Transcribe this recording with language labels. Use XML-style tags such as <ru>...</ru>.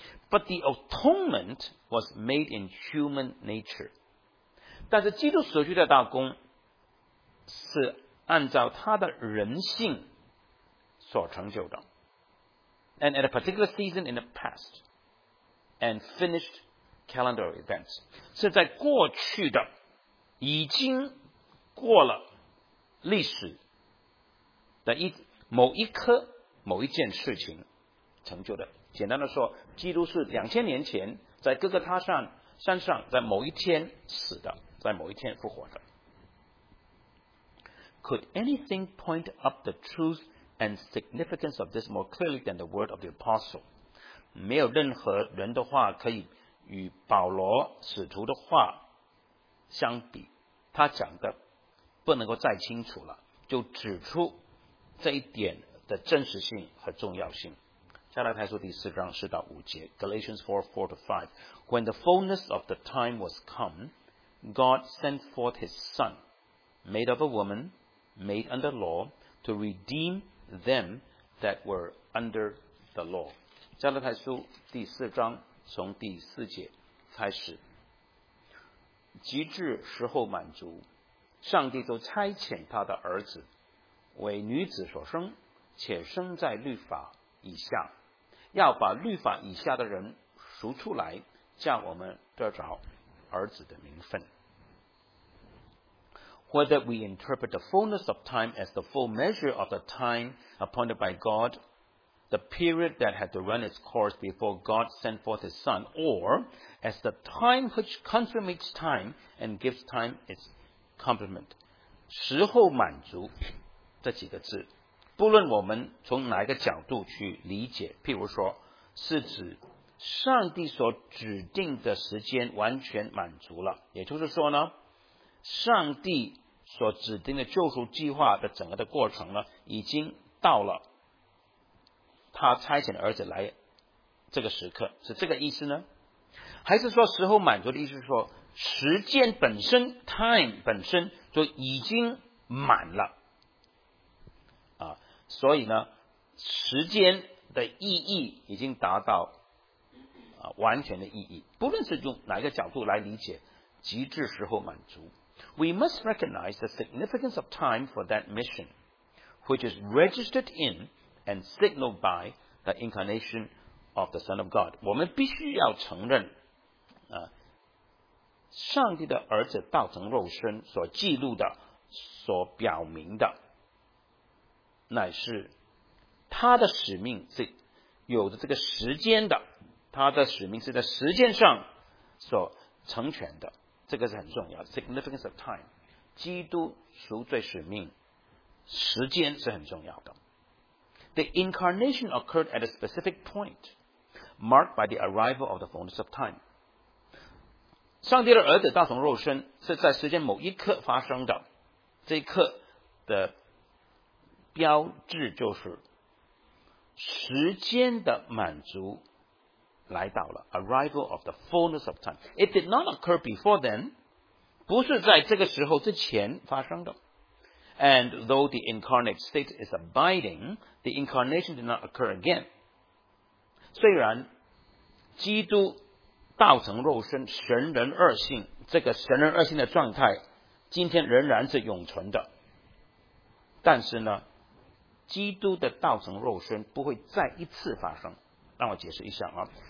<en>But the atonement was made in human nature.</en> <zh>但是基督赎罪的大功是按照他的人性所成就的。</zh> <en>And at a particular season in the past and finished calendar events,</en> <zh>是在过去的已经过了历史的一某一刻某一件事情成就的。简单的说，基督是2000年前在哥哥他上山上在某一天死的，在某一天复活的。</zh> <en>Could anything point up the truth and significance of this more clearly than the word of the apostle?</en> <zh>没有任何人的话可以与保罗使徒的话相比，他讲的不能够再清楚了，就指出这一点的真实性和重要性。加拉太书第四章四到五节</zh> <en>Galatians 4:4-5 When the fullness of the time was come, God sent forth his son, made of a womanmade under law, to redeem them that were under the law.</en> <zh>加拉太书第四章从第四节开始，极致时候满足，上帝就差遣他的儿子为女子所生，且生在律法以下，要把律法以下的人赎出来，叫我们得着儿子的名分。</zh> <en>Whether we interpret the fullness of time as the full measure of the time appointed by God, the period that had to run its course before God sent forth His Son, or as the time which consummates time and gives time its complement.</en> <zh>时候满足这几个字，不论我们从哪一个角度去理解，譬如说，是指上帝所指定的时间完全满足了，也就是说呢，上帝所指定的救赎计划的整个的过程呢，已经到了他差遣的儿子来这个时刻，是这个意思呢？还是说时候满足的意思是说时间本身 time 本身就已经满了啊？所以呢，时间的意义已经达到啊完全的意义，不论是用哪一个角度来理解，极致时候满足。</zh> <en>We must recognize the significance of time for that mission, which is registered in and signaled by the incarnation of the Son of God.</en> <zh>我们必须要承认，上帝的儿子道成肉身所记录的、所表明的，乃是他的使命是有着这个时间的，他的使命是在时间上所成全的。这个是很重要</zh> <en>significance of time</en> <zh>基督赎罪使命时间是很重要的</zh> <en>The incarnation occurred at a specific point marked by the arrival of the fullness of time</en> <zh>上帝的儿子道成肉身是在时间某一刻发生的这一刻的标志就是时间的满足来到了</zh> <en>arrival of the fullness of time. It did not occur before then,</en> <zh>不是在这个时候之前发生的。</zh> <en>And though the incarnate state is abiding, the incarnation did not occur again.</en> <zh>虽然基督道成肉身，神人二性，这个神人二性的状态，今天仍然是永存的。但是呢，基督的道成肉身不会再一次发生。让我解释一下啊。</zh>